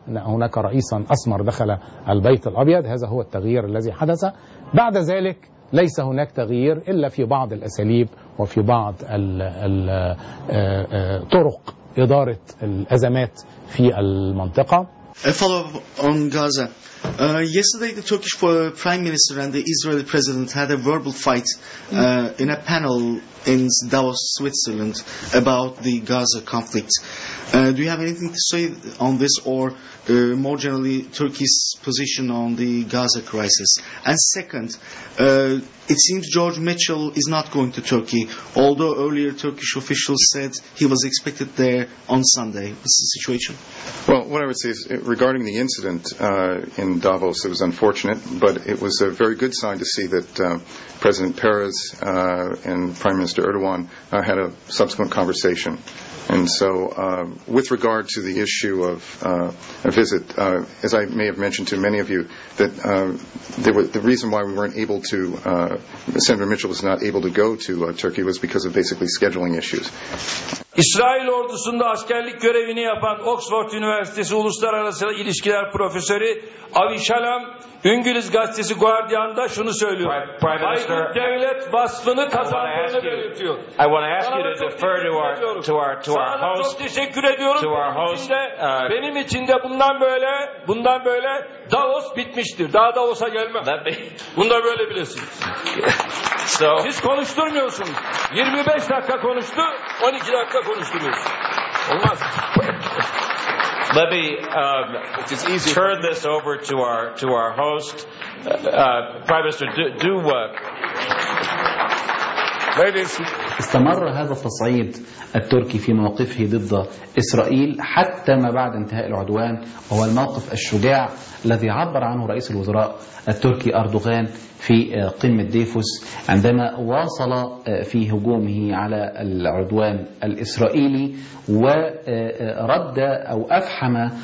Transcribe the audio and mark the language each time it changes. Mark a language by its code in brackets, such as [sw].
[ar] هناك رئيسا أسمر دخل البيت الأبيض، هذا هو التغيير الذي حدث. بعد ذلك ليس هناك تغيير إلا في بعض الأساليب وفي بعض الطرق إدارة الأزمات في المنطقة. [en] Follow-up on Gaza. Yesterday, the Turkish Prime Minister and the Israeli President had a verbal fight in a panel in Davos, Switzerland, about the Gaza conflict. Do you have anything to say on this, or more generally, Turkey's position on the Gaza crisis? And second, it seems George Mitchell is not going to Turkey, although earlier Turkish officials said he was expected there on Sunday. What's the situation? Well, what I would say is regarding the incident in Davos, it was unfortunate, but it was a very good sign to see that President Peres and Prime Minister Erdogan had a subsequent conversation. And so with regard to the issue of a visit, as I may have mentioned to many of you, that the reason why we weren't able to, Senator Mitchell was not able to go to Turkey was because of basically scheduling issues. [tr] İsrail ordusunda askerlik görevini yapan Oxford Üniversitesi Uluslararası İlişkiler Profesörü Avi Shalom, İngiliz gazetesi Guardian'da şunu söylüyor. [en] Prime Minister, [tr] devlet vasfını kazandığını belirtiyor. [en] I want to ask you to defer to our host. [tr] Çok teşekkür ediyorum. Benim için de bundan böyle Davos bitmiştir. Daha Davos'a gelmem. Bunu da böyle bilesiniz. [en] So, [tr] siz konuşturmuyorsunuz. 25 dakika konuştu, 12 dakika konuşturuyorsunuz. Olmaz. [en] Let me turn this over to our host, Prime Minister. Do what? [ar] استمر هذا التصعيد التركي في موقفه ضد إسرائيل حتى ما بعد انتهاء العدوان، وهو الموقف الشجاع الذي عبر عنه رئيس الوزراء التركي أردوغان في قمة ديفوس عندما واصل في هجومه على العدوان الإسرائيلي، ورد أو أفحم